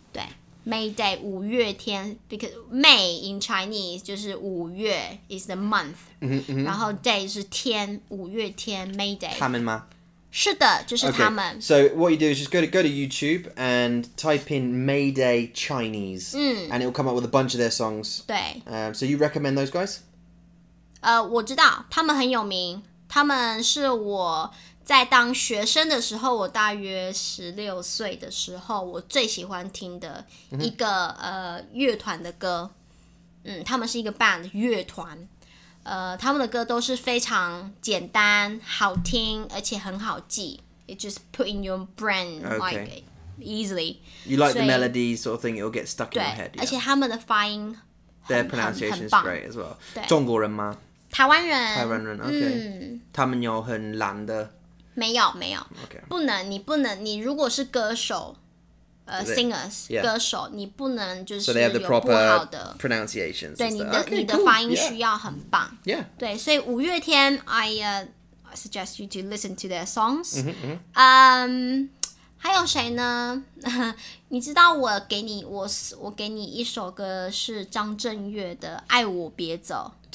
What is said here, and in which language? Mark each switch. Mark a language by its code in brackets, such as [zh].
[en] 对 May Day 五月天 because May in Chinese [zh] 就是五月 [en] is the month. [zh] 然后 Day 是天五月天 May Day. 他们吗？是的，就是他们。 [en] So what you do is just go to YouTube and type in May Day Chinese. And it'll come up with a bunch of their songs. [zh] 对。 [en] So you recommend those guys? [zh] 我知道他们很有名，他们是我在当学生的时候，我大约16岁的时候我最喜欢听的一个乐团的歌。他们是一个 band 乐团，他们的歌都是非常简单好听，而且很好记。 [en] It just put in your brain like easily. You like the melody sort of thing, it'll get stuck in your head. [zh] 而且他们的发音 [en] Their pronunciation is great as well. [zh] 中国人吗？台湾人。台湾人 ，OK。他们有很蓝的？没有，没有。 [en] OK。 [zh] 不能，你不能，你如果是歌手，singers， 歌手，你不能就是有不好的 [en] pronunciations。 [zh] 对，你的发音需要很棒。 [en] Yeah。 [zh] 对，所以五月天 [en] ，I suggest you to listen to their songs。 [zh] 还有谁呢？你知道我给你一首歌是张震岳的《爱我别走》，